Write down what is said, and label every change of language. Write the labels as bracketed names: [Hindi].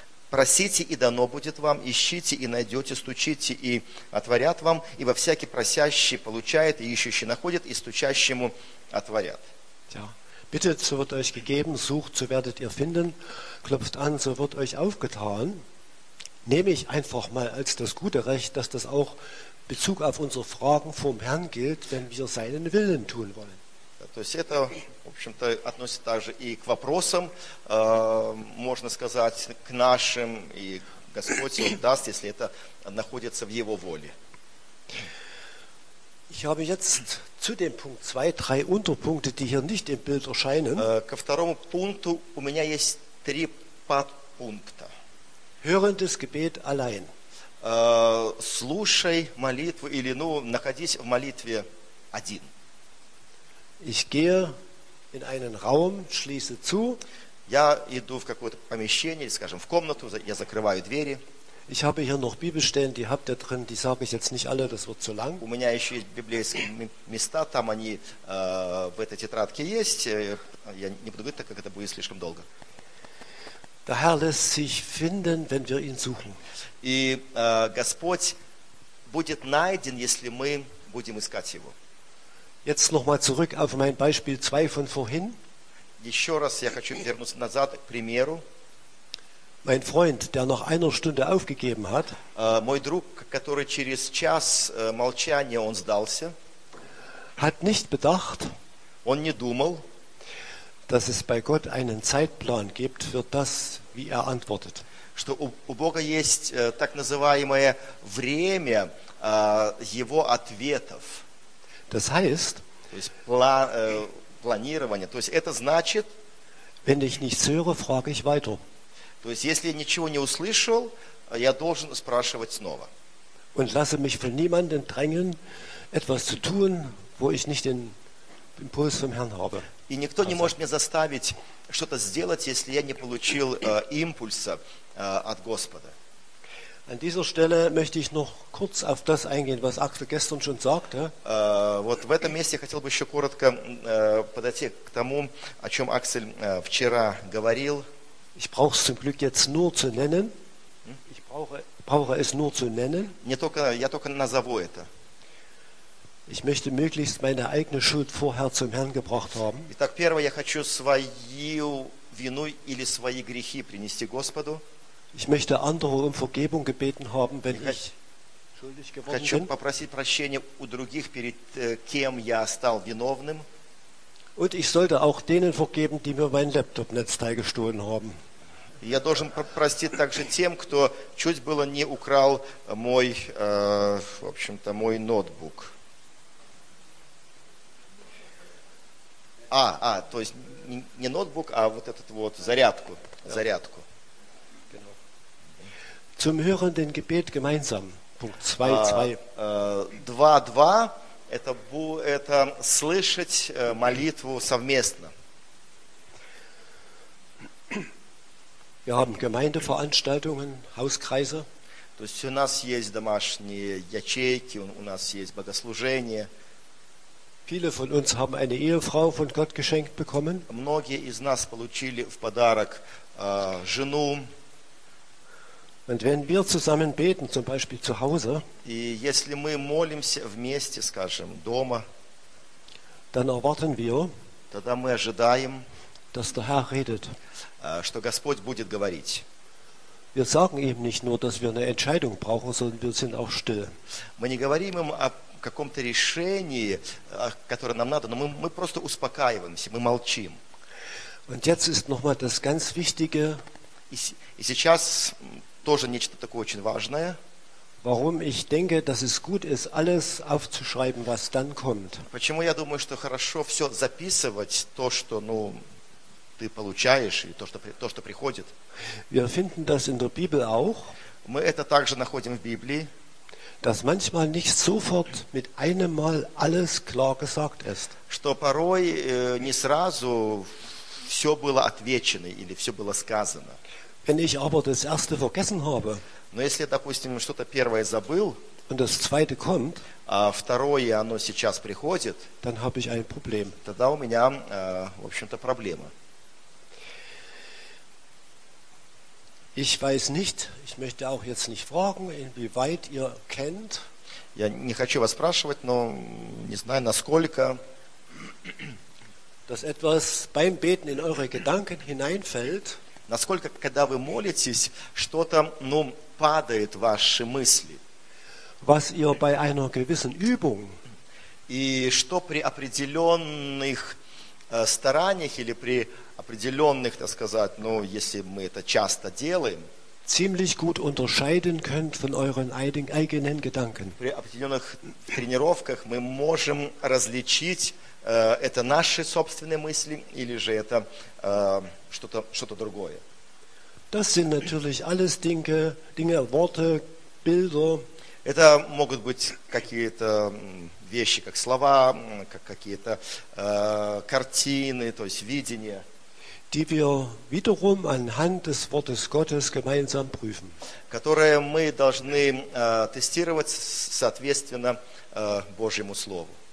[Russian] Просите, и дано будет вам, ищите, и найдете, стучите, и отворят вам, ибо всякий просящий получает, и ищущий находит, и стучащему отворят. [German] Ja. Bittet, so wird euch gegeben, sucht, so werdet ihr finden, klopft an, so wird euch aufgetan. Nehme ich einfach mal als das gute Recht, dass das auch Bezug auf unsere Fragen vom Herrn gilt, wenn wir seinen Willen tun wollen. [Russian] То есть это, в общем-то, относится также и к вопросам, можно сказать, к нашим, и Господь его даст, если это находится в Его воле. [German] Ich habe jetzt zu dem Punkt zwei, drei Unterpunkte, die hier nicht im Bild erscheinen. [Russian] Ко второму пункту у меня есть три подпункта. [German] Hörendes Gebet allein. [Russian] Слушай молитву или, ну, находись в молитве один. [German] Ich gehe in einen Raum, schließe zu. [Russian] Я иду в какое-то помещение, скажем, в комнату, я закрываю двери. [German] Ich habe hier noch Bibelstellen, die habt ihr drin, die sage ich jetzt nicht alle, das wird zu lang. [Russian] У меня еще есть библейские места, там они в этой тетрадке есть. Я не буду говорить, так как это будет слишком долго. [German] Der Herr lässt sich finden, wenn wir ihn suchen. [Russian] И Господь будет найден, если мы будем искать Его. [German] Jetzt nochmal zurück auf mein Beispiel 2 von vorhin. [Russian] Еще раз я хочу вернуться назад к примеру. [German] Mein Freund, der nach einer Stunde aufgegeben hat, [Russian] мой друг, который через час молчания он сдался, [German] hat nicht bedacht, [Russian] он не думал, [German] dass es bei Gott einen Zeitplan gibt für das, wie er antwortet. [Russian] Что у Бога есть так называемое время его ответов. [German] Das heißt, [Russian] то есть, планирование, то есть это значит, [German] wenn ich nichts höre, frage ich weiter. [Russian] То есть если я ничего не услышал, я должен спрашивать снова. [German] Und lasse mich von niemandem drängen, etwas zu tun, wo ich nicht den Impuls vom Herrn habe. [Russian] И никто не может меня заставить что-то сделать, если я не получил импульса от Господа. [German] An dieser Stelle möchte ich noch kurz auf das eingehen, was Axel gestern schon sagte. [Russian] Вот в этом месте я хотел бы еще коротко подойти к тому, о чем Axel вчера говорил. [German] Ich brauche es zum Glück jetzt nur zu nennen. Ich brauche es nur zu nennen. [Russian] Я только назову это. [German] Ich möchte möglichst meine eigene Schuld vorher zum Herrn gebracht haben. [Russian] Итак, первое, я хочу свою вину или свои грехи принести Господу. [German] Ich möchte andere um Vergebung gebeten haben, wenn ich schuldig geworden bin. [Russian] Хочу попросить прощения у других, перед кем я стал виновным. [German] Und ich sollte auch denen vergeben, die mir mein Laptop-Netzteil gestohlen haben. [Russian] Я должен простить также тем, кто чуть было не украл мой, в общем-то, мой ноутбук. То есть не ноутбук, а вот этот вот зарядку, зарядку. [German] Zum hörenden Gebet gemeinsam. Punkt 2, 2. 2, 2. [Russian] Это слышать молитву совместно. [German] Wir haben Gemeindeveranstaltungen, Hauskreise. [Russian] То есть у нас есть домашние ячейки, у нас есть богослужения. [German] Viele von uns haben eine Ehefrau von Gott geschenkt bekommen. [Russian] Многие из нас получили в подарок жену. [German] Und wenn wir zusammen beten, zum Beispiel zu Hause, [Russian] если мы молимся вместе, скажем, дома, [German] dann erwarten wir, [Russian] тогда мы ожидаем, [German] dass der Herr redet. [Russian] Что Господь будет говорить. [German] Wir sagen ihm nicht nur, dass wir eine Entscheidung brauchen, sondern wir sind auch still. [Russian] Мы не говорим им о каком-то решении, которое нам надо, но мы просто успокаиваемся, мы молчим. [German] Und jetzt ist nochmal das ganz Wichtige, [Russian] И сейчас тоже нечто такое очень важное. [German] Warum ich denke, dass es gut ist, alles aufzuschreiben, was dann kommt. [Russian] Почему я думаю, что хорошо все записывать, то, что, ну, ты получаешь, и то, что приходит. [German] Wir finden das in der Bibel auch. [Russian] Мы это также находим в Библии. [German] Dass manchmal nicht sofort mit einem Mal alles klar gesagt ist. [Russian] Что порой не сразу все было отвечено или все было сказано. [German] Wenn ich aber das erste vergessen habe, [Russian] но если, допустим, что-то первое забыл, [German] und das zweite kommt, [Russian] а второе оно сейчас приходит, [German] dann habe ich ein Problem. [Russian] Тогда у меня, в общем-то, проблема. [German] Ich weiß nicht, ich möchte auch jetzt nicht fragen, inwieweit ihr kennt. [Russian] Я не хочу вас спрашивать, но не знаю, насколько. [German] Dass etwas beim Beten in eure Gedanken hineinfällt. [Russian] Насколько, когда вы молитесь, что-то, ну, падает в ваши мысли. [German] Was ihr bei einer gewissen Übung. [Russian] И что при определенных стараниях или при определенных, так сказать, ну, если мы это часто делаем, [German] ziemlich gut unterscheiden könnt von euren eigenen Gedanken. [Russian] При определенных тренировках мы можем различить, это наши собственные мысли или же это что-то другое. [German] Das sind natürlich alles Dinge, Worte, Bilder. [Russian] Это могут быть какие-то вещи, как слова, как какие-то картины, то есть видения. [German] Die wir wiederum anhand des Wortes Gottes gemeinsam prüfen. [Russian] Которые мы должны тестировать соответственно Божьему Слову.